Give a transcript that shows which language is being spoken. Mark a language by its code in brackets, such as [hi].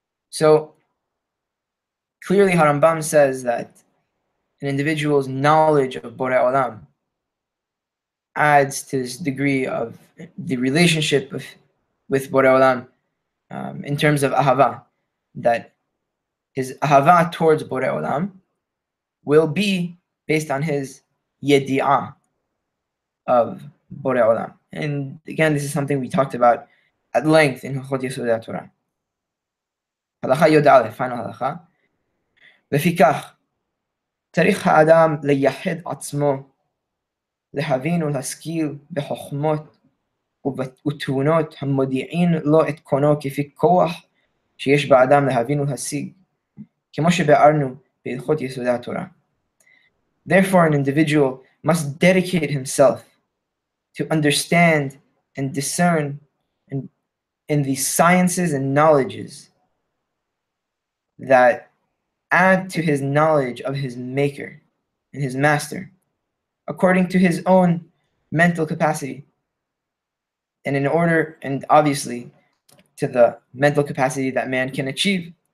[en] So clearly Harambam says that an individual's knowledge of Borei Olam adds to this degree of the relationship with Borei Olam in terms of ahava, that his ahava towards Borei Olam will be based on his yedi'ah of Borei Olam. And again, this is something we talked about at length in Hilchot Yesodei HaTorah. Halakha Yod Aleph, final halakha. [he] Lefikach, tzarich ha'adam leyahed atzmo, להבין ולהשכיל בחוכמות ותאונות המודיעין לו את קונו כפי כוח שיש באדם להבין ולהשיג, כמו שבארנו בהלכות יסודי התורה. [en] Therefore, an individual must dedicate himself to understand and discern in the sciences and knowledges that add to his knowledge of his maker and his master, according to his own mental capacity, and in order, and obviously, to the mental capacity that man can achieve.